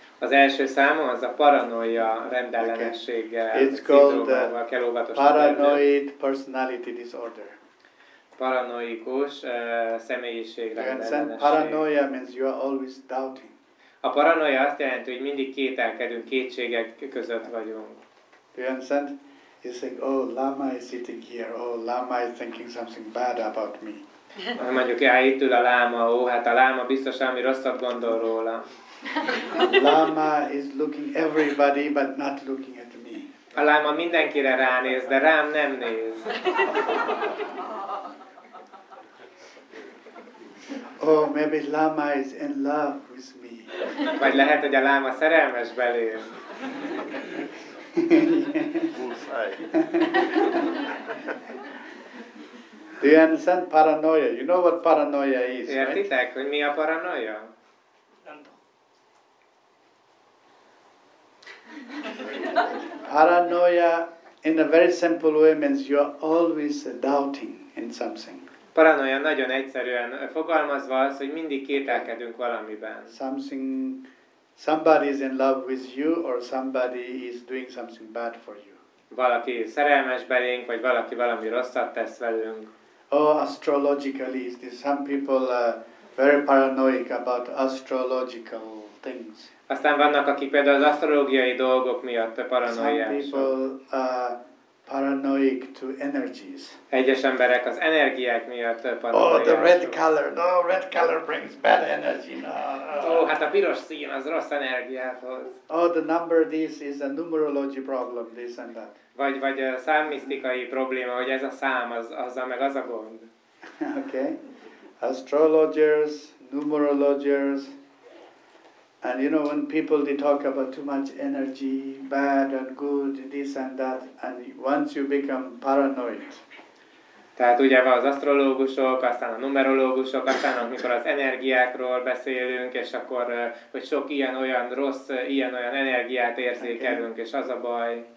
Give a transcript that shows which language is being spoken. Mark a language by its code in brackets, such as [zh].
[hu] Az első számom az a paranoia rendellenességgel. [en] Okay. It's called paranoid personality disorder. [hu] Paranoikus személyiség rendellenesség. [en] Paranoia means you are always doubting. [hu] A paranoia azt jelenti, hogy mindig kételkedünk, kétségek között vagyunk. [en] Do you understand? He's saying, oh, Lama is sitting here. Oh, Lama is thinking something bad about me. [hu] Mondjuk, ja, itt ül a Lama. Ó, hát a Lama biztos ami rosszat gondol róla. [en] Lama is looking everybody, but not looking at me. [hu] A Lama mindenkire ránéz, de rám nem néz. [en] Oh, maybe Lama is in love with me. [hu] Vagy lehet, hogy a Lama szerelmes belém. [en] Do you understand paranoia? You know what paranoia is, right? [hu] Értitek, hogy mi a paranoia? [en] Paranoia, in a very simple way, means you are always doubting in something. [hu] Paranoia nagyon egyszerűen fogalmazva az, hogy mindig kételkedünk valamiben. [en] Something. Somebody is in love with you, or somebody is doing something bad for you. [hu] Valaki szerelmes belénk, vagy valaki valami rosszat tesz velünk. [en] Oh, astrologically, some people are very paranoid about astrological things. [hu] Aztán vannak, akik például az asztrológiai dolgok miatt paranoiások. [en] Some people are paranoid to energies. [hu] Egyes emberek az energiák miatt paranoiások. [en] Oh, the red color. No, red color brings bad energy. No. [hu] Oh, hát a piros szín az rossz energiát hoz. [en] Oh, the number this is a numerology problem, this and that. [hu] Vagy a számmisztikai probléma, hogy ez a szám, azzal meg az a gond. [en] Okay. Astrologers, numerologers, and you know, when people they talk about too much energy, bad and good, this and that, and once you become paranoid. [hu] Tehát ugye van az asztrológusok, aztán a numerológusok, aztán amikor az energiákról beszélünk, és akkor, hogy sok ilyen-olyan rossz, ilyen-olyan energiát érzékelünk, okay. És az a baj.